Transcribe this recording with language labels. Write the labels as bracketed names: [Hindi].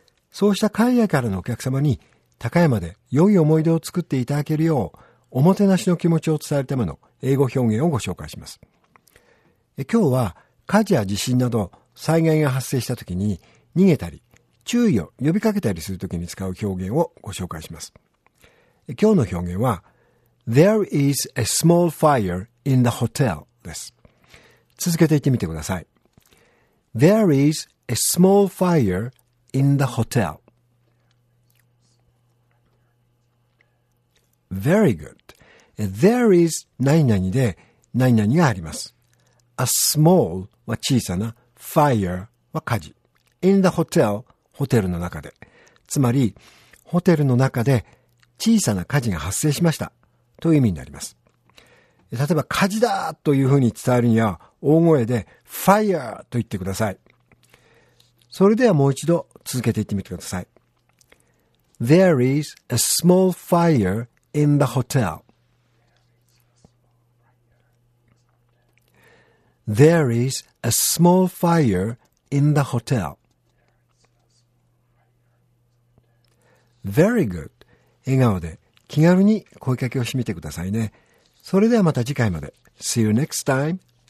[Japanese] そうした海外からのお客様に高山で良い思い出を作っていただけるよう、おもてなしの気持ちを伝えるための英語表現をご紹介します。今日は火事や地震など災害が発生した時に逃げたり、注意を呼びかけたりするときに使う表現をご紹介します。今日の表現は [English] There is a small fire in the hotel [Japanese] です。続けて言ってみてください。 [English] There is a small fire in the hotel. Very good. There is [Japanese] 何々で何々があります。 A small は小さな、fire は火事。 [English] In the hotel、 [Japanese] ホテルの中で。つまり、ホテルの中で小さな火事が発生しましたという意味になります。例えば火事だというふうに伝えるには大声で fire と言ってください。それではもう一度続けて言ってみてください。 [English] There is a small fire in the hotel. There is a small fire in the hotel. Very good. [Japanese] 笑顔で気軽に声かけをしてみてくださいね。それではまた次回まで。 [English] See you next time.